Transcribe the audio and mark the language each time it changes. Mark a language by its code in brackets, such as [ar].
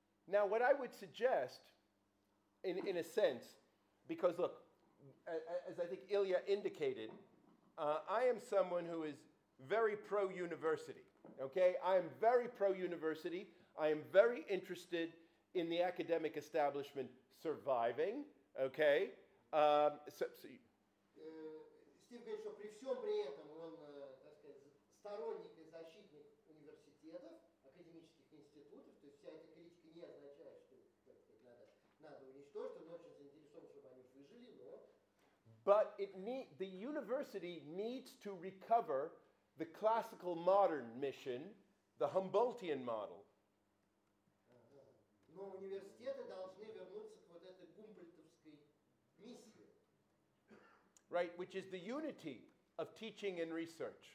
[en] Now, what I would suggest, in a sense, because look, as I think Ilya indicated, I am someone who is very pro-university, okay? I am very pro-university. I am very interested in the academic establishment surviving, okay? [ru] Стив говорит, что при всем при этом он, так сказать, сторонник и защитник университетов, академических институтов, то есть вся эта критика не означает, что так сказать, надо уничтожить, он очень заинтересован, чтобы они выжили, но... [en] But it the university needs to recover the classical modern mission, the Humboldtian model. [ru] Но университеты должны вернуться к вот этой гумбольдтовской миссии. [en] Right, which is the unity of teaching and research.